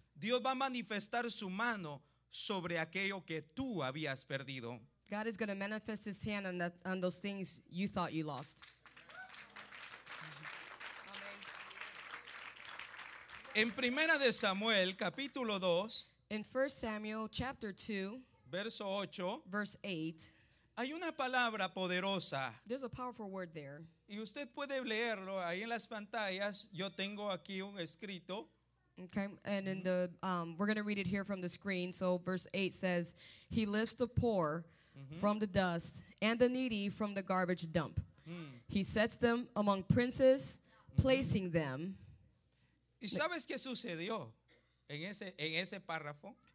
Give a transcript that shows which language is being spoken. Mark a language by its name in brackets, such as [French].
[Spanish] Dios va a manifestar su mano sobre aquello que tú habías perdido. [English] God is going to manifest his hand on those things you thought you lost. [Spanish] En Primera de Samuel, capítulo 2, [English] in 1 Samuel, chapter 2, [Spanish] verso 8, [English] verse 8, [Spanish] hay una palabra poderosa. [English] There's a powerful word there. [Spanish] Y usted puede leerlo ahí en las pantallas. Yo tengo aquí un escrito. [English] Okay, and in the, we're going to read it here from the screen. So verse 8 says, he lifts the poor from the dust and the needy from the garbage dump. He sets them among princes, placing them. [Spanish] ¿Y sabes qué sucedió en ese párrafo?